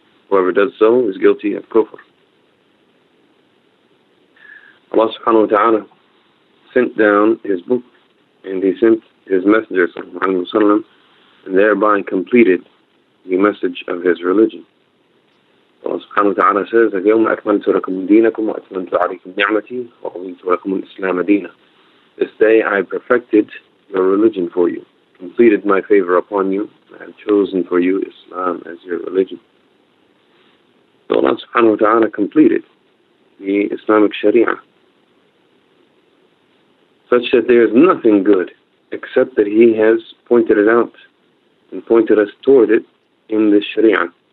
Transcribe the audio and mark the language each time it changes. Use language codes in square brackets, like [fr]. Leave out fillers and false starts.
[en] Whoever does so is guilty of kufr. Allah subhanahu wa ta'ala sent down his book and he sent his messenger and thereby completed the message of his religion. Allah subhanahu wa ta'ala says, [ar] اليوم أكملت لكم دينكم وأتممت عليكم نعمتي ورضيت لكم الإسلام دينا. [en] This day I perfected your religion for you, completed my favor upon you, and I have chosen for you Islam as your religion. So Allah subhanahu wa ta'ala completed the Islamic Sharia such that there is nothing good except that He has pointed it out and pointed us toward it in the Sharia.